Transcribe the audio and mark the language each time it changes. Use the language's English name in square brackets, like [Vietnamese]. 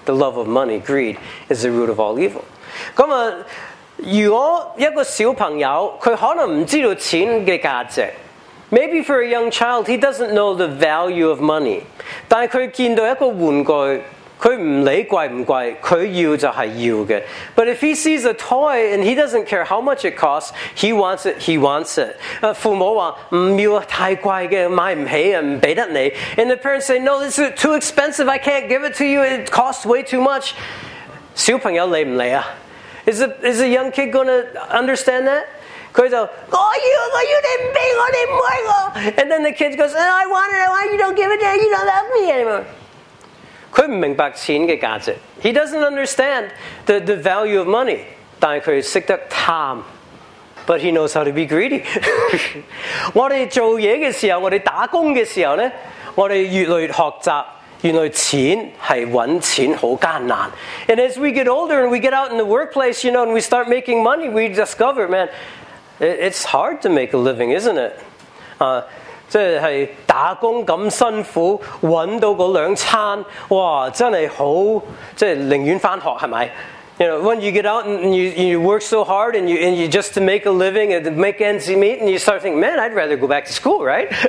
[English] The love of money, greed, is the root of all evil. [Cantonese] 咁啊，如果一个小朋友，佢可能唔知道钱嘅价值。 [English] Maybe for a young child, he doesn't know the value of money. [Cantonese] 但佢见到一个玩具，佢唔理贵唔贵，佢要就系要嘅。 [English] But if he sees a toy and he doesn't care how much it costs, he wants it. He wants it. [Cantonese] 父母话唔要太贵嘅，买唔起啊，唔俾得你。 [English] And the parents say, "No, this is too expensive. I can't give it to you. It costs way too much." [Cantonese] 小朋友理唔理啊 [English] ？Is a young kid gonna understand that? [Cantonese] 佢就我要我要你唔俾我你唔爱我。 [English] And then the kid goes, "I want it. I want you. Don't give it to me. You don't love me anymore." [Cantonese] 佢唔明白錢嘅價值。 [English] He doesn't understand the value of money. [Cantonese] 但佢識得貪。 [English] But he knows how to be greedy. [Cantonese] 我哋做嘢嘅時候，我哋打工嘅時候呢，我哋越來越學習，原來錢係揾錢好艱難。 [English] And as we get older and we get out in the workplace, you know, and we start making money, we discover, man, it's hard to make a living, isn't it? [Cantonese] 即係打工咁辛苦，揾到嗰兩餐，哇！真係好，即係寧願翻學係咪 [English] ？You know, when you get out and you work so hard and you just to make a living and make ends meet, and you start thinking, man, I'd rather go back to school, right?